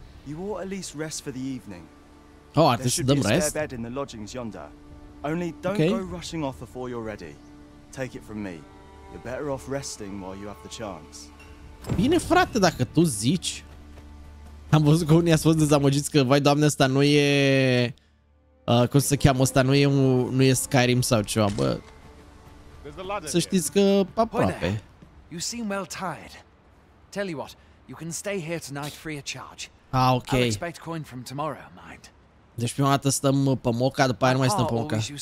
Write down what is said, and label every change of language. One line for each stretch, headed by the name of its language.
English: You ought at least rest for the evening.
Romanian: Oh, ar trebui să dăm rest?
English: There should be a spare bed in the lodgings yonder. Only don't okay. Go rushing off before you're ready. Take it from me. You're better off resting while you have the chance.
Romanian: Bine, frate, dacă tu zici. Am văzut că unii a fost dezamăgiți că, vai doamne, ăsta nu e... cum se cheamă, ăsta nu e Skyrim sau ceva, bă. Să știți că aproape.
English: You seem well tired. Tell you what, you can stay here tonight free of charge. Ah, ok. I'll expect coin from tomorrow, mind.
Romanian: Deci prima dată stăm pe moca, după aia nu mai stăm pe moca.